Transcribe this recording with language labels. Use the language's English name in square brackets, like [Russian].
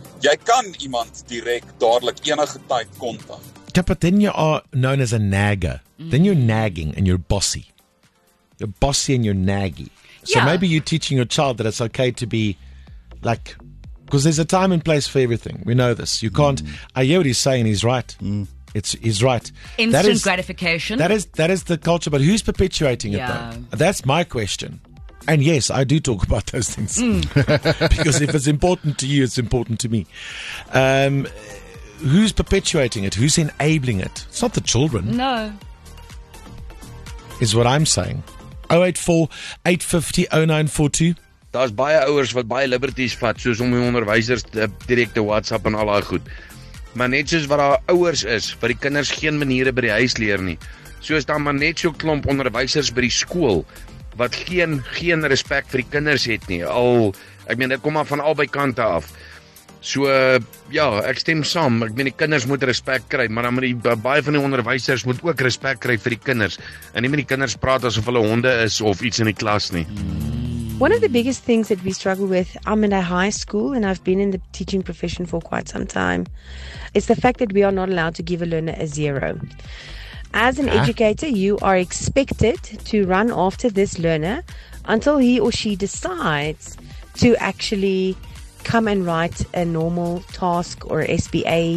[Afrikaans] Jy kan iemand direct, dadelijk, enige tyd kontak. [English] Yeah, but then you are known as a nagger. Then you're nagging and you're bossy. You're bossy and you're naggy. So maybe you're teaching your child that it's okay to be like, because there's a time and place for everything. We know this. You can't, I hear what he's saying. He's right. He's right. Instant gratification. That is the culture. But who's perpetuating it though? That's my question. And yes, I do talk about those things. Mm. Because if it's important to you, it's important to me. Who's perpetuating it? Who's enabling it? It's not the children. No. Is what I'm saying. 084 850 0942. [Afrikaans] Daar's baie ouers wat baie liberties vat, soos om die onderwysers direk te WhatsApp en al daai goed. Maar net soos wat daar ouers is, wat die kinders geen maniere by die huis leer nie. Soos dan maar net so klomp onderwysers by die skool wat geen respek vir die kinders het nie. Al, ek meen, dit kom maar van albei kante af. So, ja, ek stem saam. Ek meen, die kinders moet respek kry, maar dan moet die baie van die onderwysers moet ook respek kry vir die kinders. En nie met die kinders praat asof hulle honde is of iets in die klas nie. [English] One of the biggest things that we struggle with, I'm in a high school and I've been in the teaching profession for quite some time, is the fact that we are not allowed to give a learner a zero. As an educator, you are expected to run after this learner until he or she decides to actually come and write a normal task or SBA.